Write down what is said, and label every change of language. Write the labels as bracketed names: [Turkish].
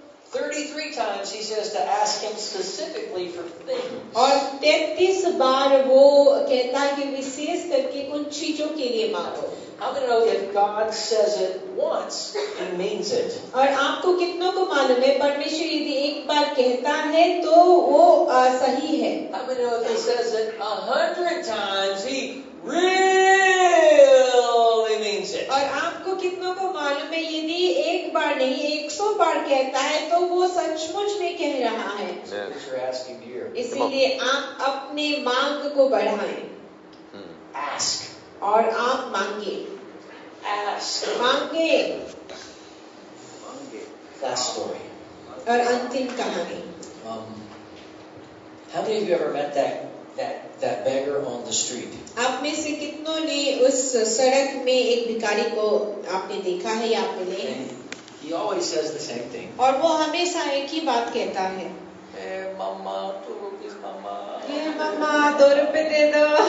[English] 33 times he says to ask him specifically for things. [Hindi] और 33 बार वो कहता है कि विशेष करके उन चीजों के लिए मांगो. [English] How do you know if God says it once and means it? [Hindi] और आपको कितनों को मालूम है परमेश्वर यदि एक बार कहता है तो वो सही है. [English] How do you know if he says it 100 times he really means it? [Hindi] और आपको कितनों को मालूम है यदि एक बार नहीं 100 बार कहता है तो वो सचमुच में कह रहा है. इसीलिए आप अपने मांग को बढ़ाएं. [English] Ask. [Hindi] और आप मांगे. [English] Ask. [Hindi] मांगे. मांगे. [English] That story. [Hindi] और अंतिम कहानी. [English] How many of you ever met that beggar on the street? [Hindi] आप में से कितनों ने उस सड़क में एक भिखारी को आपने देखा है या आपने? [English] He always says the same thing. [Hindi] और वो हमेशा एक ही बात कहता है. [English] Hey, mama, 2 rupees, mama. Hey, mama, 2 rupees [Hindi] दे दो.